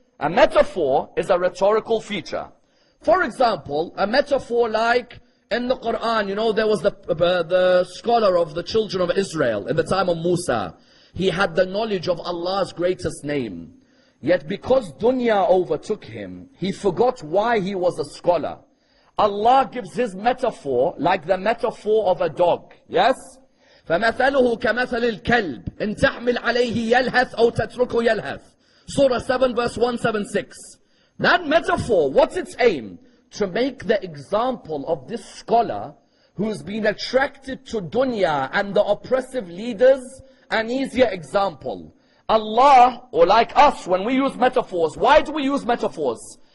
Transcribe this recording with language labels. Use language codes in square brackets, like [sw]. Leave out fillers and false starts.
[en] A metaphor is a rhetorical feature. For example, a metaphor like in the Quran, you know, there was the scholar of the children of Israel in the time of Musa. He had the knowledge of Allah's greatest name. Yet because dunya overtook him, he forgot why he was a scholar. Allah gives his metaphor like the metaphor of a dog. Yes? [ar] فَمَثَلُهُ كَمَثَلِ الْكَلْبِ إِن تَحْمِلْ عَلَيْهِ يَلْهَثْ أَوْ تَتْرُكُ يَلْهَثْ [en] Surah 7 verse 176. That metaphor, what's its aim? To make the example of this scholar who's been attracted to dunya and the oppressive leaders an easier example. Allah, or like us, when we use metaphors, why do we use metaphors?